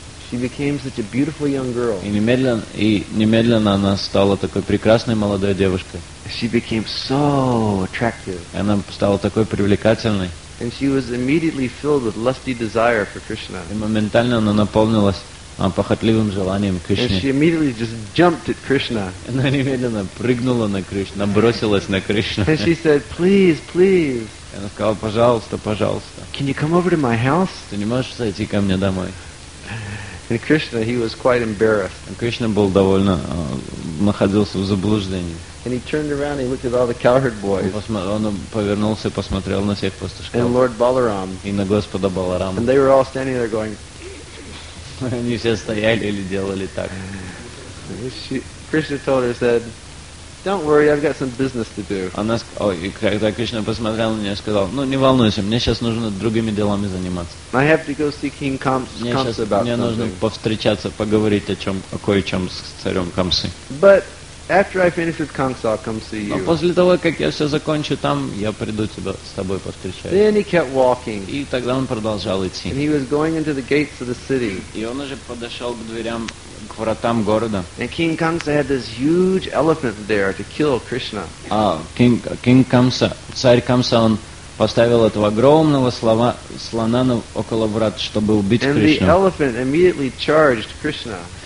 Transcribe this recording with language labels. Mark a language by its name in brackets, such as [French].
[English] She became such a beautiful young girl. [Russian] И немедленно она стала такой прекрасной молодой девушкой. [English] She became so attractive. [Russian] Она стала такой привлекательной. [English] And she was immediately filled with lusty desire for Krishna. [Russian] И моментально она наполнилась похотливым желанием Кришны. [English] And she immediately just jumped at Krishna. [Russian] Она немедленно прыгнула на Кришну, бросилась на Кришну. [English] And she said, "Please, please." [Russian] И она сказала: "Пожалуйста, пожалуйста." [English] "Can you come over to my house?" [Russian] Ты не можешь зайти ко мне домой? [English] And Krishna, he was quite embarrassed. [Russian] И Кришна был довольно находился в заблуждении. [English] And he turned around and he looked at all the cowherd boys. [Russian] Он повернулся и посмотрел на всех пастушков. [English] And Lord Balaram. [Russian] И на Господа Баларама. [English] And they were all standing there going. [Russian] Они все стояли или делали так. [English] Krishna told her, said, "Don't worry, I've got some business to do." [Russian] И когда Кришна посмотрел на нее, сказал: "Ну, не волнуйся, мне сейчас нужно другими делами заниматься." [English] I have to go see King Kamsa about something. [Russian] Мне нужно повстречаться, поговорить о кое-чем с царем Камсы. [English] But After I finish with Kamsa, I'll come see you. [Russian] Но после того, как я все закончу там, я приду тебя с тобой повстречать. [English] Then he kept walking. [Russian] И тогда он продолжал идти. [English] And he was going into the gates of the city. [Russian] И он уже подошел к дверям, к вратам города. [English] And King Kamsa had this huge elephant there to kill Krishna. [Russian] King Kamsa, царь Камса, он поставил этого огромного слона около врат, чтобы убить Кришну. [English] And the elephant immediately charged Krishna.